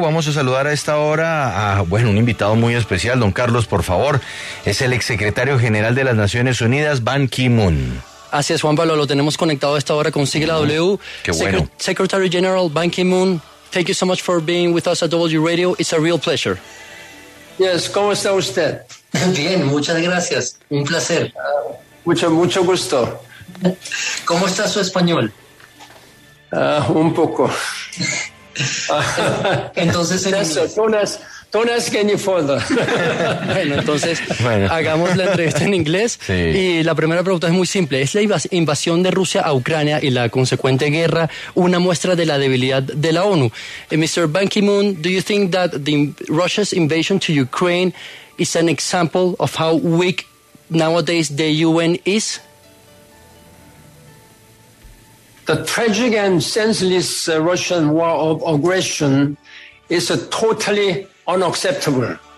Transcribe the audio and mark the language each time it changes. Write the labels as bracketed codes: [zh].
[es] Vamos a saludar a esta hora a, bueno, un invitado muy especial, don Carlos, por favor. Es el exsecretario general de las Naciones Unidas, Ban Ki-moon. Así es, Juan Pablo, lo tenemos conectado a esta hora con sigue la W. Qué bueno. [en] Secretary General Ban Ki-moon, thank you so much for being with us at W Radio. It's a real pleasure. [es] Yes, ¿cómo está usted? Bien, muchas gracias. Un placer. Mucho gusto. ¿Cómo está su español? Un poco. Entonces, Tonas que ni fonda. Bueno, entonces, hagamos la entrevista en inglés. Sí. Y la primera pregunta es muy simple. ¿Es la invasión de Rusia a Ucrania y la consecuente guerra una muestra de la debilidad de la ONU? [en] Mr. Ban Ki-moon, do you think that the Russia's invasion to Ukraine is an example of how weak nowadays the UN is? The tragic and senseless Russian war of aggression is a totally unacceptable.